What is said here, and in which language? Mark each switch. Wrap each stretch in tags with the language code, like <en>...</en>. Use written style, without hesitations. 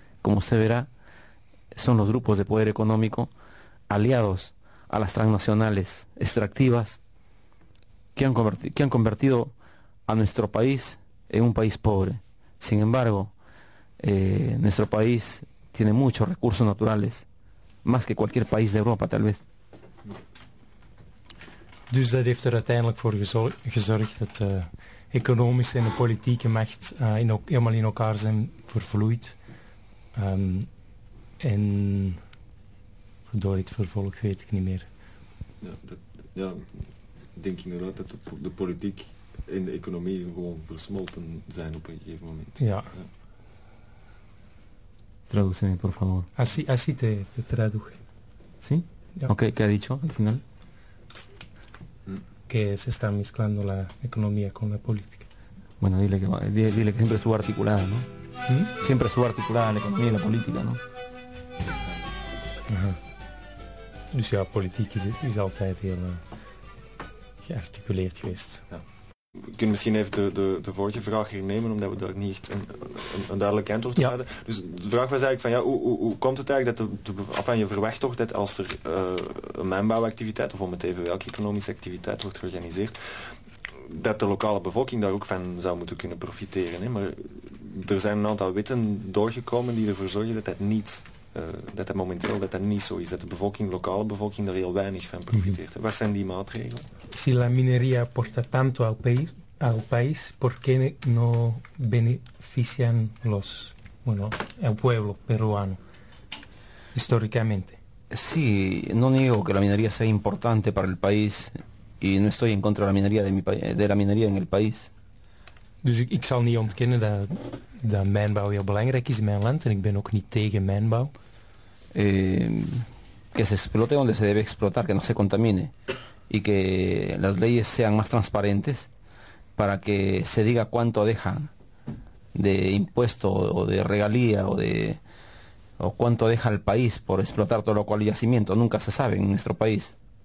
<es>Como usted verá, son los grupos de poder económico aliados a las transnacionales extractivas que han convertido a nuestro país en un país pobre. Sin embargo, nuestro país tiene muchos recursos naturales, más que cualquier país de Europa tal vez.</es> <nl>Dus dat heeft er uiteindelijk voor gezorgd dat de economische en de politieke macht helemaal in elkaar zijn vervloeid. En door het vervolg weet ik niet meer. Ja, dat, ja, denk inderdaad dat de politiek en de economie gewoon versmolten zijn op een gegeven moment. Ja.</nl> <es>Traduce, por favor. Así te traduje. ¿Sí? Ja. Oké, ¿qué ha dicho al final? Que se está mezclando la economía con la política. Bueno, dile que siempre estuvo articulada, ¿no? ¿Mm? Siempre estuvo articulada la economía y la política, ¿no? Ajá.</es> <nl>Dus ja, politiek is altijd heel gearticuleerd geweest. Ja. We kunnen misschien even de vorige vraag hernemen, omdat we daar niet echt een duidelijk antwoord op hadden. Ja. Dus de vraag was eigenlijk van ja, hoe komt het eigenlijk dat je verwacht toch dat als er een mijnbouwactiviteit, of om het even welke economische activiteit wordt georganiseerd, dat de lokale bevolking daar ook van zou moeten kunnen profiteren. Hè? Maar er zijn een aantal wetten doorgekomen die ervoor zorgen dat dat niet, dat niet zo is, dat de bevolking, lokale bevolking daar heel weinig van profiteert. Mm-hmm. Wat zijn die maatregelen?</nl> <es>Si la minería aporta tanto al país, ¿por qué no benefician los, bueno, el pueblo peruano históricamente? Sí, no niego que la minería sea importante para el país y no estoy en contra de la minería en el país.</es> <nl>Dus ik zal niet ontkennen dat mijnbouw heel belangrijk is in mijn land en ik ben ook niet tegen mijnbouw.</nl> <es>Que se explote donde se debe explotar, que no se contamine. Y que las leyes sean más transparentes para que se diga cuánto dejan de impuesto o de regalía o cuánto deja el país por explotar todo lo cual el yacimiento. Nunca se sabe en nuestro país.</es>